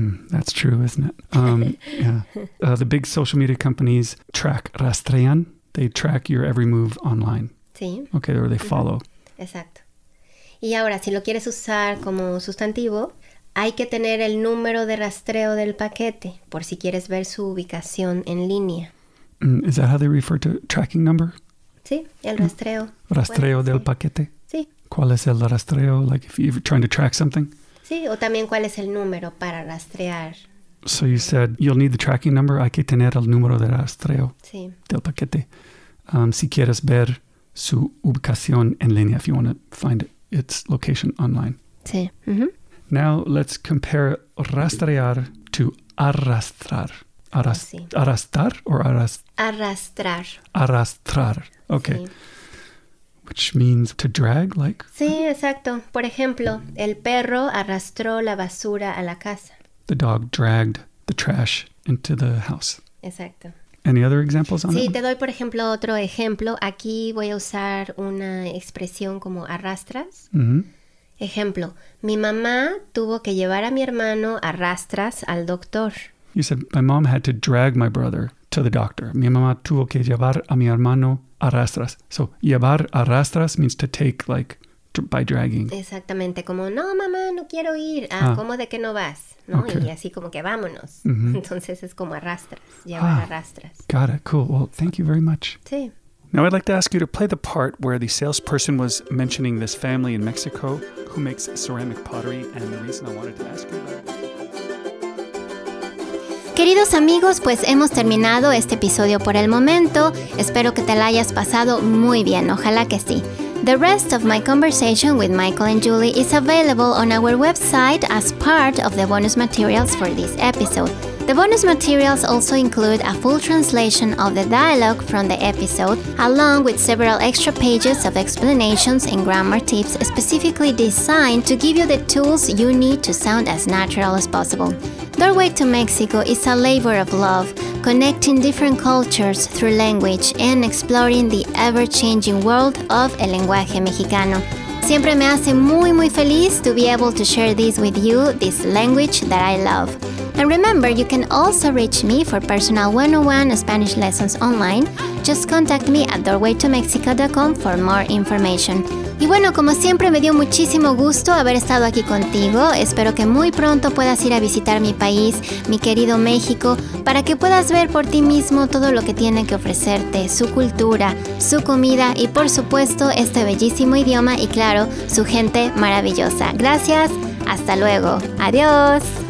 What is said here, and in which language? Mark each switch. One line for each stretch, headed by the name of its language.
English: That's true, isn't it? The big social media companies track, rastrean. They track your every move online.
Spanish: Sí.
English: Okay, or they follow.
Spanish: Exacto. Y ahora, si lo quieres usar como sustantivo, hay que tener el número de rastreo del paquete por si quieres ver su ubicación en línea.
English: Is that how they refer to tracking number?
Spanish: Sí, el rastreo. Rastreo bueno, del paquete? Sí. ¿Cuál es el rastreo?
English: Like if you're trying to track something?
Spanish: Sí, o también cuál es el número para rastrear.
English: So you said you'll need the tracking number.
Spanish: Hay que tener el número de rastreo del paquete. Si quieres ver su ubicación en línea,
English: if you want to find its location online.
Spanish: Sí.
English: Mm-hmm. Now let's compare rastrear to arrastrar.
Spanish: Arrastrar or arrastrar?
English: Arrastrar. Okay. Sí. Which means to drag, like?
Spanish: Sí, exacto. Por ejemplo, el perro arrastró la basura a la casa.
English: The dog dragged the trash into the house.
Spanish: Exacto.
English: Any other examples on
Spanish: sí,
English: that?
Spanish: Sí, te doy, por ejemplo, otro ejemplo. Aquí voy a usar una expresión como arrastras. Mm-hmm. Ejemplo, mi mamá tuvo que llevar a mi hermano arrastras al doctor.
English: You said, my mom had to drag my brother to the doctor.
Spanish: Mi mamá tuvo que llevar a mi hermano arrastras.
English: So, llevar arrastras means to take, like, by dragging.
Spanish: Exactamente. Como, no, mamá, no quiero ir. ¿Cómo de que no vas? ¿No?
English: Okay.
Spanish: Y así como que vámonos. Mm-hmm. Entonces es como arrastras. Llevar arrastras.
English: Got it. Cool. Well, thank you very much.
Spanish: Sí.
English: Now, I'd like to ask you to play the part where the salesperson was mentioning this family in Mexico who makes ceramic pottery. And the reason I wanted to ask you about it.
Spanish: Queridos amigos, pues hemos terminado este episodio por el momento. Espero que te la hayas pasado muy bien, ojalá que sí.
English: The rest of my conversation with Michael and Julie is available on our website as part of the bonus materials for this episode. The bonus materials also include a full translation of the dialogue from the episode, along with several extra pages of explanations and grammar tips specifically designed to give you the tools you need to sound as natural as possible. Doorway to Mexico is a labor of love, connecting different cultures through language and exploring the ever-changing world of
Spanish: el lenguaje mexicano. Siempre me hace muy, muy feliz
English: to be able to share this with you, this language that I love. And remember, you can also reach me for personal 101 Spanish lessons online. Just contact me at doorwaytomexico.com for more information.
Spanish: Y bueno, como siempre, me dio muchísimo gusto haber estado aquí contigo. Espero que muy pronto puedas ir a visitar mi país, mi querido México, para que puedas ver por ti mismo todo lo que tiene que ofrecerte, su cultura, su comida y, por supuesto, este bellísimo idioma y, claro, su gente maravillosa. Gracias, hasta luego. Adiós.